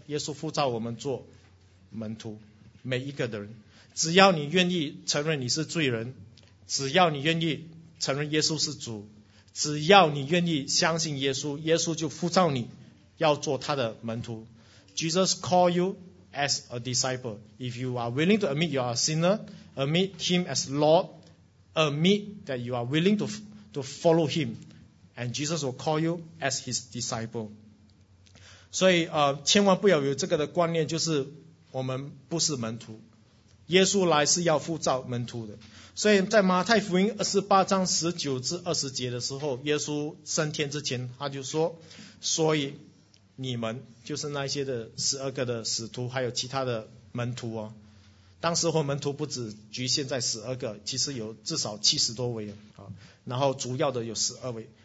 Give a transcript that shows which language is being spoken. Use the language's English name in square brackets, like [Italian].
[Chinese] 耶稣呼召我们做门徒，每一个的人，只要你愿意承认你是罪人，只要你愿意承认耶稣是主，只要你愿意相信耶稣，耶稣就呼召你要做他的门徒。 [English] Jesus call you as a disciple. If you are willing to admit you are a sinner, admit him as Lord, admit that you are willing to follow him, and Jesus will call you as his disciple. [Chinese] 所以千万不要有这个的观念，就是我们不是门徒，耶稣来是要呼召门徒的。所以在马太福音28:19-20的时候，耶稣升天之前他就说，所以你们就是那些的12的使徒还有其他的门徒当时候门徒不只局限在12，其实有至少70多位然后主要的有12位。